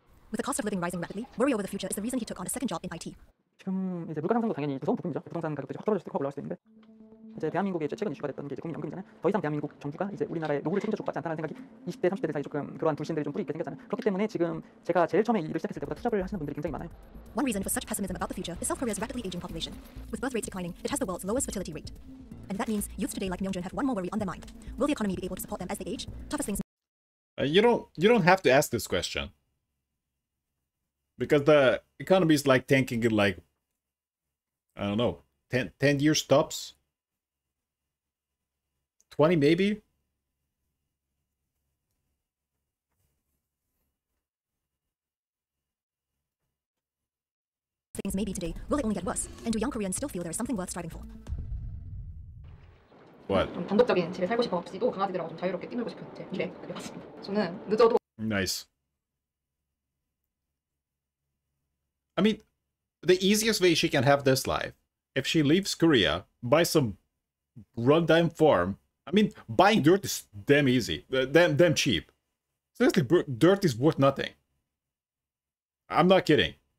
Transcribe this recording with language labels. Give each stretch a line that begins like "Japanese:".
English: With the cost of living rising rapidly, worry over the future is the reason he took on a second job in IT.
Korean: 지금 이제 물가 상승도 당연히 무서운 부분이죠. 부동산 가격도 확 떨어질 수 있고 올라갈 수 있는데. 이제 대한민국의 이제 최근 이슈가 됐던 게 이제 국민연금이잖아요. 더 이상 대한민국 정부가 이제 우리나라의 노후를 챙겨줄 것 같지 않다는 생각이 20대, 30대 사이 조금 그러한 불신들이 좀 뿌리있게 생겼잖아요. 그렇기 때문에 지금 제가 제일 처음에 일을 시작했을 때보다 투잡을 하시는 분들이 굉장히 많아요.
English: One reason for such pessimism about the future is South Korea's rapidly aging population. With birth rates declining, it has the world's lowest fertility rate. And that means youths today like Myung-jun have one more worry on their mind. Will the economy be able to support them as they age? Toughest things... You don't have to ask this question. Because the economy is like tanking in like... I don't know. 10 years tops? 20 maybe? Things may be today, will it only get worse? And do young Koreans still feel there is something worth striving for? What?
Korean: 좀 단독적인 집에 살고 싶어 없이도 강아지들하고 좀 자유롭게 뛰놀고 싶은 제 미래 맞습니다. 저는 늦어도
English: Nice. I mean, the easiest way she can have this life, if she leaves Korea, buy some rundown farm. I mean, buying dirt is damn easy, damn cheap. Seriously, dirt is worth nothing. I'm not kidding.